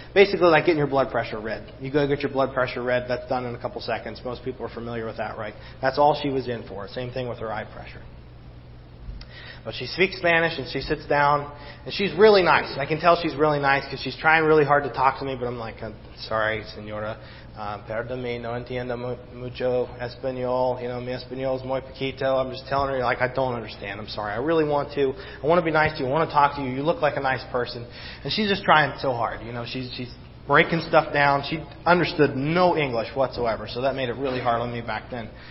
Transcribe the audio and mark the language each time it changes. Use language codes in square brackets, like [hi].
[en] Basically like getting your blood pressure read. You go get your blood pressure read, that's done in a couple seconds. Most people are familiar with that, right? That's all she was in for. Same thing with her eye pressure. But she speaks Spanish and she sits down and she's really nice. I can tell she's really nice because she's trying really hard to talk to me, but I'm like, I'm sorry, señora. [es] Perdóname, no entiendo mucho español. [en] You know, [es] mi español es muy poquito. [en] I'm just telling her, like, I don't understand. I'm sorry. I really want to. I want to be nice to you. I want to talk to you. You look like a nice person. And she's just trying so hard. You know, she's breaking stuff down. She understood no English whatsoever. So that made it really hard on me back then.